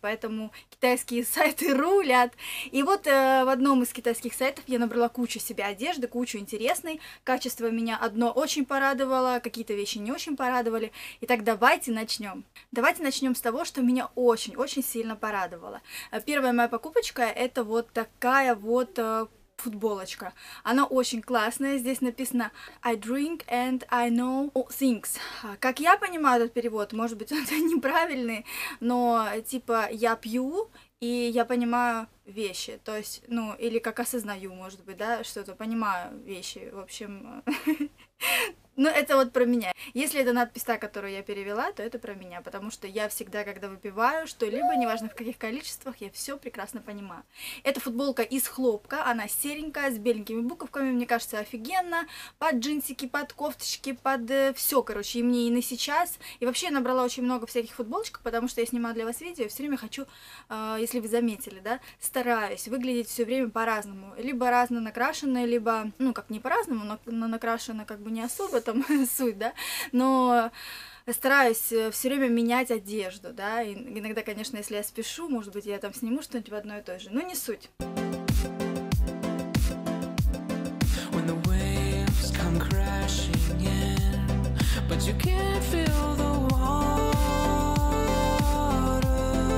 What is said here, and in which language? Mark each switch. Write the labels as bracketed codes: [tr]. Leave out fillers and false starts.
[ru] Поэтому китайские сайты рулят. И вот в одном из китайских сайтов я набрала кучу себе одежды, кучу интересной. Качество меня одно очень порадовало, какие-то вещи не очень порадовали. Итак, давайте начнем. Давайте начнем с того, что меня очень-очень сильно порадовало. Первая моя покупочка — это вот такая вот футболочка. Она очень классная. Здесь написано [en] «I drink and I know things». [ru] Как я понимаю этот перевод, может быть, он неправильный, но типа «я пью и я понимаю вещи», то есть, ну, или как осознаю, может быть, да, что-то, понимаю вещи, в общем, ну, это вот про меня. Если это надпись та, которую я перевела, то это про меня, потому что я всегда, когда выпиваю что-либо, неважно в каких количествах, я все прекрасно понимаю. Эта футболка из хлопка, она серенькая, с беленькими буковками, мне кажется, офигенно, под джинсики, под кофточки, под все, короче, и мне и на сейчас. И вообще я набрала очень много всяких футболочек, потому что я снимаю для вас видео, и все время хочу, если вы заметили, да, стараюсь выглядеть все время по-разному, либо разно накрашенная, либо, ну, как не по-разному, но накрашена как бы не особо, в этом суть, да, но стараюсь все время менять одежду, да, и иногда, конечно, если я спешу, может быть, я там сниму что-нибудь в одно и то же, но не суть. [en] When the waves come crashing in, but you can't feel the water.